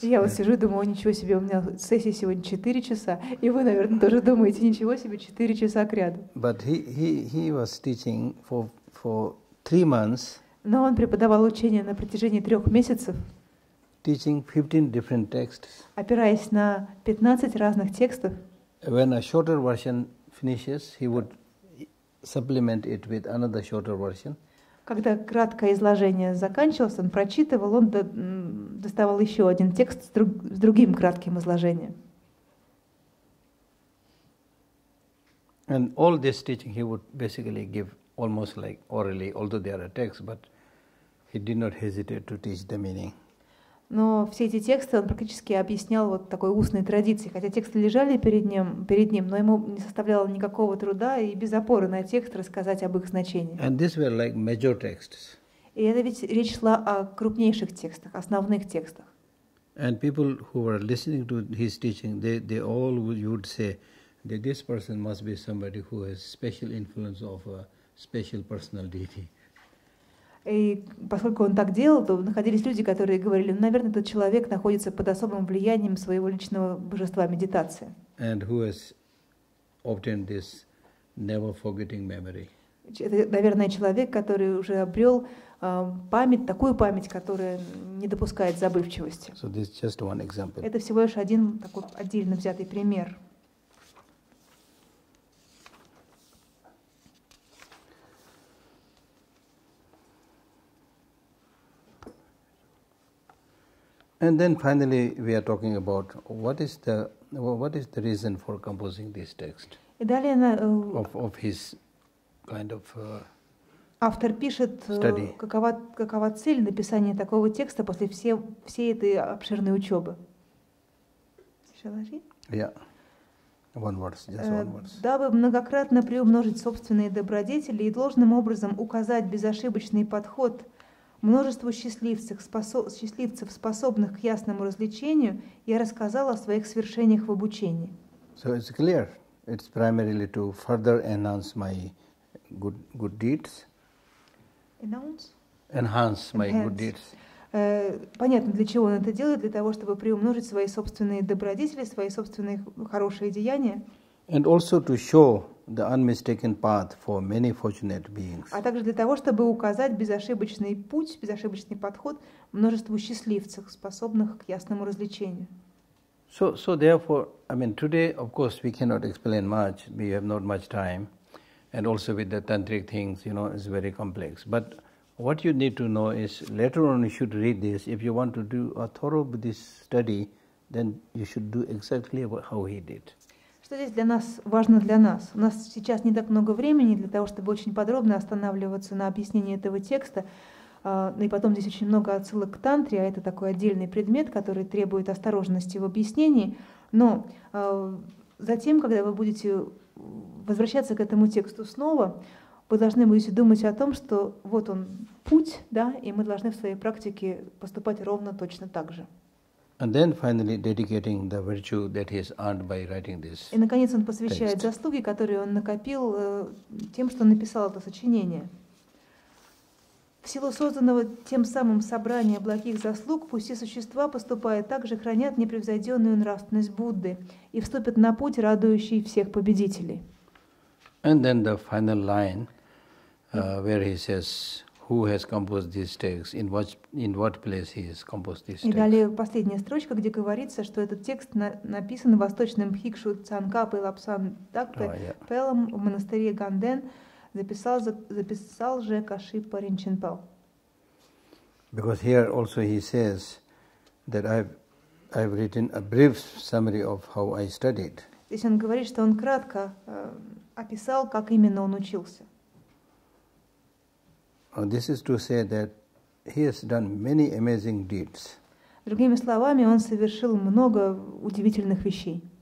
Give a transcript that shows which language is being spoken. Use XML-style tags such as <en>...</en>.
<ru>Я вот сижу и думаю, ничего себе, у меня сессия сегодня 4 часа, и вы, наверное, тоже думаете, ничего себе, 4 часа кряду.</ru> <en>But he was teaching for 3 months.</en> <ru>Но он преподавал учение на протяжении 3 месяцев.</ru> <en>Teaching 15 different texts.</en> <ru>Опираясь на 15 разных текстов.</ru> <en>When a shorter version finishes, he would supplement it with another shorter version.</en> <ru>Когда краткое изложение заканчивалось, он прочитывал, он доставал еще один текст с другим кратким изложением.</ru> <en>And all this teaching he would basically give almost like orally, although they are a text, but he did not hesitate to teach the meaning.</en> <ru>Но все эти тексты он практически объяснял вот такой устной традицией, хотя тексты лежали перед ним, но ему не составляло никакого труда и без опоры на текст рассказать об их значении.</ru> <en>And these were like major texts.</en> <ru>И это ведь речь шла о крупнейших текстах, основных текстах.</ru> <en>And people who were listening to his teaching, they all would say that this person must be somebody who has special influence of a special personal deity.</en> <ru>И поскольку он так делал, то находились люди, которые говорили, ну, наверное, этот человек находится под особым влиянием своего личного божества медитации.</ru> <en>And who has obtained this never forgetting memory.</en> <ru>Это, наверное, человек, который уже обрел память, такую память, которая не допускает забывчивости.</ru> <en>So this is just one example.</en> <ru>Это всего лишь один такой отдельно взятый пример.</ru> <en>And then finally, we are talking about what is the reason for composing this text.</en> <ru>И далее</ru> <en>of his kind of study.</en> <ru>Автор пишет, какова цель написания такого текста после всей этой обширной учебы.</ru> <en>Shall I read? Yeah. One verse, just one verse.</en> <ru>Дабы многократно приумножить собственные добродетели и должным образом указать безошибочный подход. Множеству счастливцев, способных к ясному развлечению, я рассказал о своих свершениях в обучении.</ru> <en>So it's clear. It's primarily to further enhance my good deeds. Enhance my good deeds.</en> <ru>Понятно, для чего он это делает? Для того, чтобы приумножить свои собственные добродетели, свои собственные хорошие деяния.</ru> <en>And also to show the unmistaken path for many fortunate beings.</en> <ru>А также для того, чтобы указать безошибочный путь, безошибочный подход множеству счастливцев, способных к ясному развлечению.</ru> <en>So therefore, I mean, today, of course, we cannot explain much. We have not much time, and also with the tantric things, you know, it's very complex. But what you need to know is later on you should read this. If you want to do a thorough Buddhist study, then you should do exactly how he did.</en> <ru>Что здесь для нас важно для нас? У нас сейчас не так много времени для того, чтобы очень подробно останавливаться на объяснении этого текста. И потом здесь очень много отсылок к тантре, а это такой отдельный предмет, который требует осторожности в объяснении. Но затем, когда вы будете возвращаться к этому тексту снова, вы должны будете думать о том, что вот он путь, да, и мы должны в своей практике поступать ровно точно так же.</ru> <en>And then finally dedicating the virtue that he has earned by writing this.</en> <ru>И наконец он посвящает заслуги, которые он накопил тем, что написал это сочинение. В силу созданного тем самым собрания благих заслуг, пусть все существа, поступая так же, хранят непревзойденную нравственность Будды и вступят на путь, радующий всех победителей.</ru> <en>And then the final line, where he says, who has composed these texts, in what place he has composed these texts.</en> <ru>И далее последняя строчка, где говорится, что этот текст написан восточным бхикшу Цанкапой Лапсан Дакпе Пелом в монастыре Ганден, записал же Кашипа Ринчинпо.</ru> <en>Because here also he says that I've written a brief summary of how I studied.</en> <ru>Здесь он говорит, что он кратко описал, как именно он учился.</ru> <en>This is to say that he has done many amazing deeds.</en> <ru>Другими словами, он совершил много удивительных вещей.</ru>